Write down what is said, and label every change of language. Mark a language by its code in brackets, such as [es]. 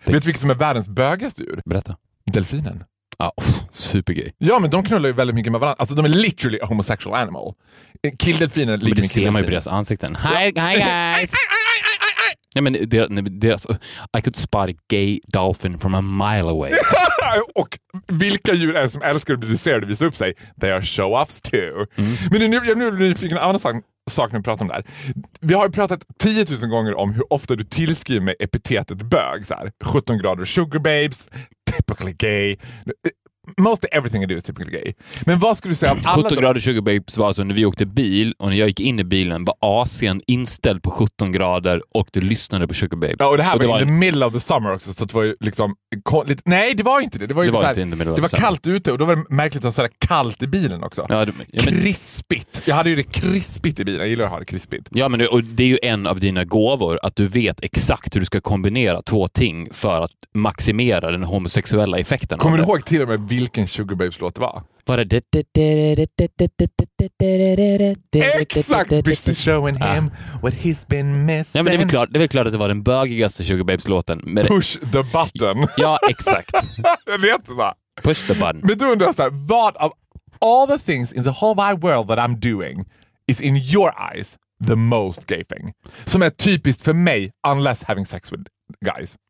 [sv] Vet du vilket som är världens bögaste djur? Berätta. Delfinen. Ja, supergay. Ja, men de knullar ju väldigt mycket med varandra. Alltså, de är [en] literally a homosexual animal. [sv] Killdelfinen ligger med killdelfinen. Men det ser man ju på deras ansikten. [en] Hi guys! [sv] Nej, men deras... [en] I could spot a gay dolphin from a mile away. [sv] Och vilka djur är som älskar att bli dresserade och visa upp sig? [en] They are show-offs too. [sv] Mm. Men nu fick en annan sak när vi pratar om det här. Vi har ju pratat 10 000 gånger om hur ofta du tillskriver mig epitetet bög. Så här, 17 grader sugar babes... [en] Typically gay. most everything I do is typically gay. [sv] Men vad skulle du säga om alla 17 grader 20 babes var alltså när vi åkte bil och när jag gick in i bilen var AC:n inställd på 17 grader och du lyssnade på 20 babes. Ja, och det här var [en] in the middle of the summer [sv] också, så det var ju liksom lite, nej, det var inte det. Det var ju det så var så här, [en] inte in the [sv] det var kallt ute och då var det märkligt att ha så här kallt i bilen också. Ja, krispigt. Jag hade ju det krispigt i bilen. Jag gillar att ha det krispigt. Ja, men och det är ju en av dina gåvor att du vet exakt hur du ska kombinera två ting för att maximera den homosexuella effekten. Kommer du ihåg till och med vilken Sugar Babes-låt det var? Var det... Exakt! [en] Busy showing him what he's been missing. [sv] Ja, men det är väl klart att det var den bögigaste Sugar Babes-låten. Med Push the button. Ja, exakt. Jag vet inte. Push the button. Men du undrar så här, vad av [en] all the things in the whole wide world that I'm doing is in your eyes the most gay thing? [sv] Som är typiskt för mig, [en] unless having sex with guys.